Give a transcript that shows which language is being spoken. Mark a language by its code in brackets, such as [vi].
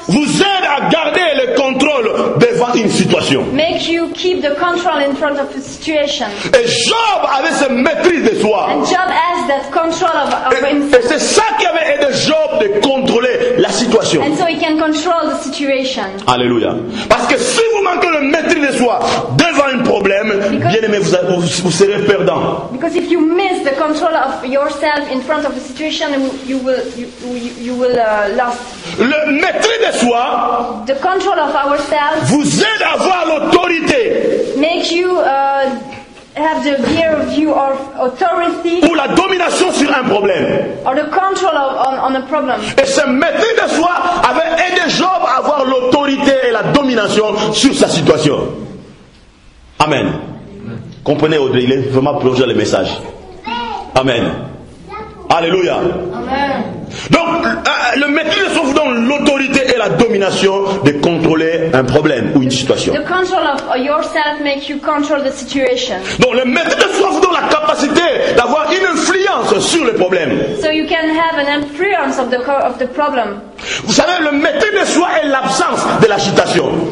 [fr] vous aide à garder le contrôle devant une situation. [en] Make you keep the control in front of a situation. [fr] Et Job avait ce maîtrise de soi. [en] And Job has that control of himself. [fr] Et c'est ça qui avait aidé Job de contrôler la situation. [en] And so he can control the situation. Alléluia. [fr] Parce que si vous manquez le maîtrise de soi devant un problème, bien-aimé, vous serez perdant. [en] Because if you miss the control of yourself in front of a situation, you will lose. [fr] Le maîtrise de soi, [en] the control of ourselves, [fr] vous aide à avoir l'autorité. [en] Make you have the gear of view of authority, [fr] ou la domination sur un problème, [en] or the control of, on a problem. [fr] Et ce maîtrise de soi avait aidé Job à avoir l'autorité et la domination sur sa situation. Amen. Comprenez, Audrey, il est vraiment plongé dans le message. Amen. Alléluia. Amen. Donc, le maîtrise de soi vous donne l'autorité et la domination de contrôler un problème ou une situation. [en] The control of yourself makes you control the situation. [fr] Donc, le maîtrise de soi vous donne la capacité d'avoir une influence sur le problème. [en] So you can have an influence of the problem. [fr] Vous savez, le maîtrise de soi est l'absence de l'agitation.